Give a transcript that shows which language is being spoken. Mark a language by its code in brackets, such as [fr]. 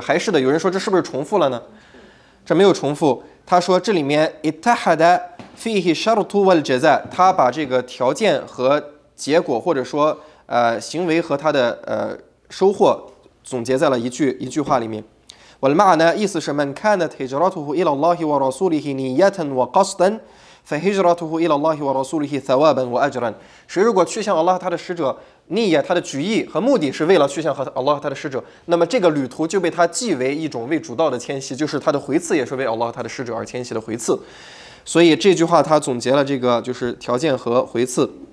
[zh] 还是的，有人说这是不是重复了呢？这没有重复。他说这里面 [ar] ittahada fihi shartu wal jazaa， [zh] 他把这个条件和结果，或者说行为和他的收获总结在了一句话里面。 [ar] والمعنى [zh] 意思是 [ar] من كانت هجرته إلى الله ورسوله نية وقصدا فهجرته إلى الله ورسوله ثوابا وأجرا. [zh] 谁如果去向 Allah 他的使者，逆也他的举意和目的是为了去向 Allah 他的使者，那么这个旅途就被他记为一种为主道的迁徙，就是他的回次也是为 Allah 他的使者而迁徙的回次。所以这句话他总结了这个就是条件和回次。